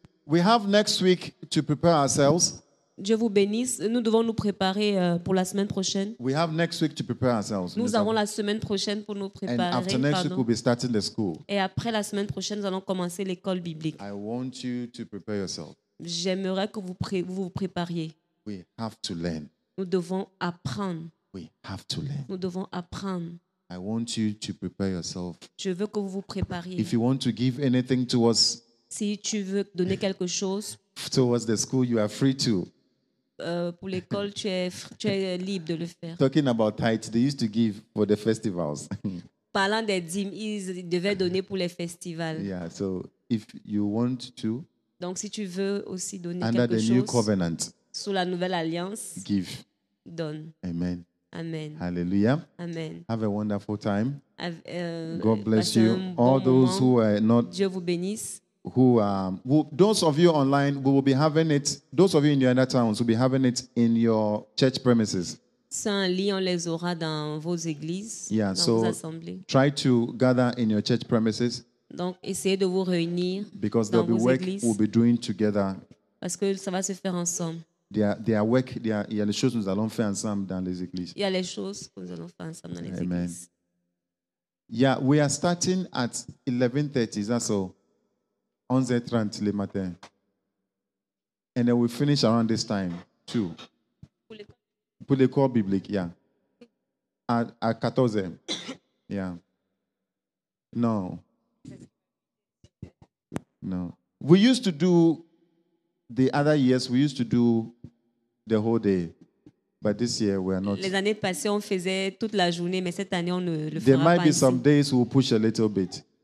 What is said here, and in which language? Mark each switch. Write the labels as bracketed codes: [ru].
[en] We have next week to prepare ourselves. [fr] Dieu vous bénisse. Nous devons nous préparer pour la semaine prochaine. [en] We have next week to prepare ourselves. [fr] Nous avons la semaine prochaine pour nous préparer. [en] And after next week, we'll be starting the school. [fr] Et après la semaine prochaine, nous allons commencer l'école biblique. [en] I want you to prepare yourself. [fr] J'aimerais que vous prépariez. [en] We have to learn. [fr] Nous devons apprendre. [en] We have to learn. [fr] Nous devons apprendre. [en] I want you to prepare yourself. [fr] Je veux que vous vous prépariez. [en] If you want to give anything towards. [fr] Si tu veux donner quelque chose. [en] Towards the school, you are free to. [fr] Pour l'école, tu es libre de le faire. [en] Talking about tithes, they used to give for the festivals. [fr] Parlant des dîmes, ils devaient donner pour les festivals. [en] Yeah, so if you want to. [fr] Donc si tu veux aussi donner quelque chose. [en] Under the new covenant. [fr] Sous la nouvelle alliance. [en] Give. [fr] Donne. Amen. Amen. Hallelujah. Amen. [en] Have a wonderful time. God bless you. All those who are not. [fr] Dieu vous bénisse. [en] Who those of you online, we will be having it. Those of you in your other towns will be having it in your church premises. [fr] Saint Lee, on les aura dans vos églises, [en] yeah, [fr] dans [en] so [fr] vos assemblées. [en] Try to gather in your church premises. [fr] Donc, essayez de vous réunir [en] because [fr] dans [en] there'll [fr] vos [en] be work [fr] églises. [en] We'll be doing together. [fr] Parce que ça va se faire ensemble. [en] There are work. [fr] Il y a les choses nous allons faire ensemble dans les églises. Il y a les choses que nous allons faire ensemble dans les églises. [en] Amen. Yeah, we are starting at 11:30. Is that so? [fr] 11:30 le matin. [en] And then we finish around this time, too. [fr] Pour le corps biblique, [en] yeah. At 14. Yeah. No. No. We used to do, the other years, we used to do the whole day. But this year, we are not. [fr] Les années passées, on faisait toute la journée, mais cette année, on ne le fera pas. [en] There might be some days we'll push a little bit.